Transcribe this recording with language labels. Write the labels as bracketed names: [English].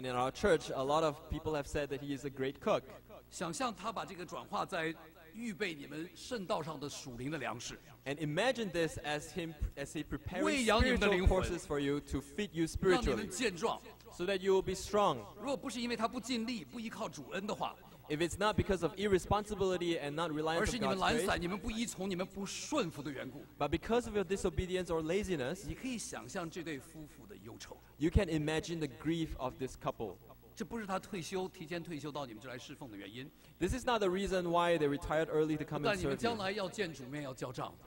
[English] in our church, a lot of people have said that he is a great cook. [Chinese] 想象他把这个转化在预备你们圣道上的属灵的粮食。And [English] imagine this as he preparing spiritual horses for you to feed you spiritually. [Chinese] 让你们健壮, [English] so that you will be strong. [Chinese] 若不是因为他不尽力、不依靠主恩的话。 [English] If it's not because of irresponsibility and not reliance on God's grace, [Chinese] 你们不依从, [English] but because of your disobedience or laziness, you can imagine the grief of this couple. This is not the reason why they retired early to come and serve you.